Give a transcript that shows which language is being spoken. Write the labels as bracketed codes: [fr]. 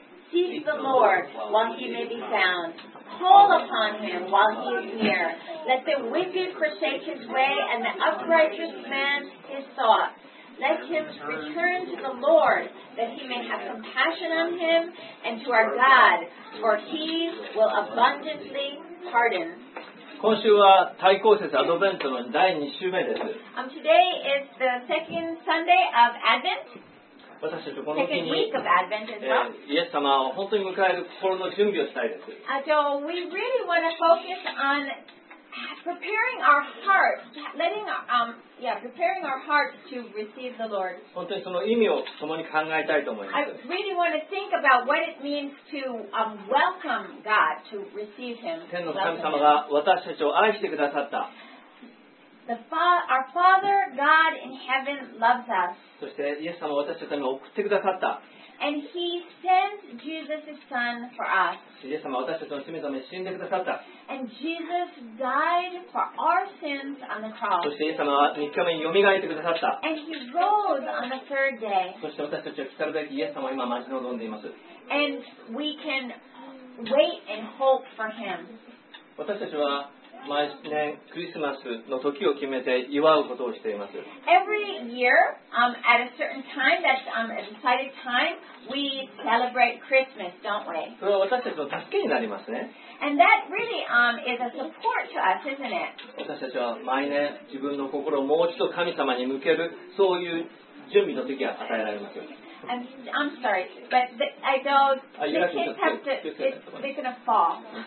[en] Seek the Lord while he may be found. Call upon him while he is near. Let the wicked forsake his way and the upright man his thoughts. Let him return to the Lord that he may have compassion on him and to our God, for he will abundantly pardon. [ja] 今週は対抗節アドベントの第2週目です。 [en] Today is the second Sunday of Advent. [ja] 私たちこの日に、イエス様を本当に迎える心の準備をしたいです。 [en] So we really want to focus on preparing our hearts, preparing our hearts to receive the Lord. [ja] 本当にその意味を共に考えたいと思います。 [en] I really want to think about what it means to welcome God, to receive Him. [ja] 天の神様が私たちを愛してくださった。 [en] Our Father, God in heaven, loves us. [ja] そしてイエス様は私たちに送ってくださった。 [en] And He sent Jesus' Son for us. [ja] イエス様は私たちの罪のために死んでくださった。 [en] And Jesus died for our sins on the cross. [ja] そしてイエス様は3日目によみがえってくださった。 [en] And He rose on the third day. [ja] そして私たちは来るべきイエス様を今待ち望んでいます。 [en] And we can wait and hope for Him. [ja] 私たちは毎年クリスマスの時を決めて祝うことをしています。 [en] Every year, at a certain time, a decided time, we celebrate Christmas, don't we? [ja] それは私たちの助けになりますね。 [en] And that really, is a support to us, isn't it? [ja] 私たちは毎年自分の心をもう一度神様に向ける、そういう準備の時が与えられます。 [en] I'm sorry, but the kids gonna fall.